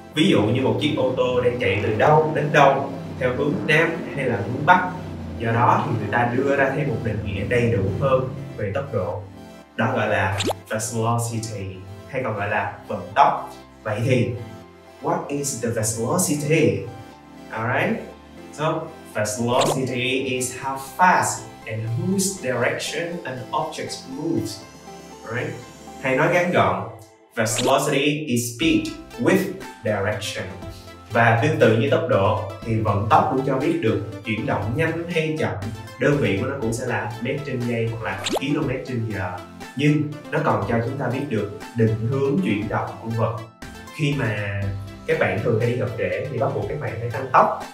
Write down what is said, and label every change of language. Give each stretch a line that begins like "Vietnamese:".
Vietnamese: Ví dụ như một chiếc ô tô đang chạy từ đâu đến đâu, theo hướng nam hay là hướng bắc. Do đó thì người ta đưa ra thêm một định nghĩa đầy đủ hơn về tốc độ, đó gọi là velocity, hay còn gọi là vận tốc. Vậy thì
English: what is the velocity? Alright, so velocity is how fast and whose direction an object moves. Alright,
Vietnamese: hay nói ngắn gọn,
English: velocity is speed with direction.
Vietnamese: Và tương tự như tốc độ thì vận tốc cũng cho biết được chuyển động nhanh hay chậm, đơn vị của nó cũng sẽ là mét trên giây hoặc là km trên giờ. Nhưng nó còn cho chúng ta biết được định hướng chuyển động của vật. Khi mà các bạn thường hay đi học trễ thì bắt buộc các bạn phải tăng tốc.